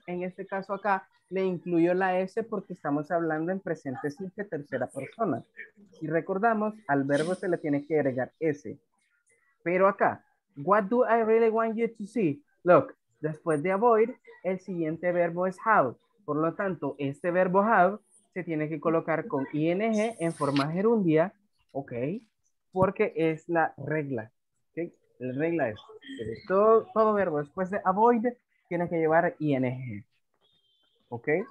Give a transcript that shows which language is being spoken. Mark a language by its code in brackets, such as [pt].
[es] En este caso acá, le incluyo la S porque estamos hablando en presente simple tercera persona. Si recordamos, al verbo se le tiene que agregar S. Pero acá, [en] what do I really want you to see? [es] Look, después de avoid, el siguiente verbo es have. Por lo tanto, este verbo have se tiene que colocar con ing en forma gerundia, ok, porque es la regla, ok, la regla es que todo verbo después de avoid tiene que llevar ing, ok.